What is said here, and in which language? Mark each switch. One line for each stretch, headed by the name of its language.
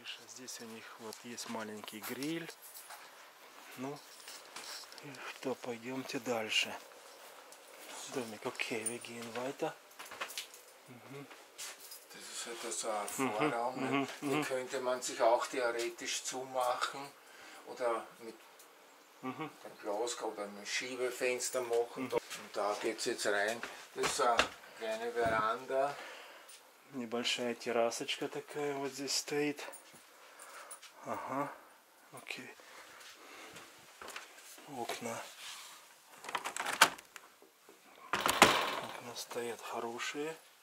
Russian: Здесь у них вот есть маленький гриль. Ну, что, пойдемте дальше. Домик, окей, веги инвайта. Это же такой Vorraum.
German: Den könnte man sich auch theoretisch zumachen. Oder mit einem Glas oder einem Schiebefenster machen. Und da geht's jetzt rein. Das ist eine kleine Veranda.
Russian: Небольшая террасочка такая вот здесь стоит. Ага, окей. Окна. Окна стоят хорошие.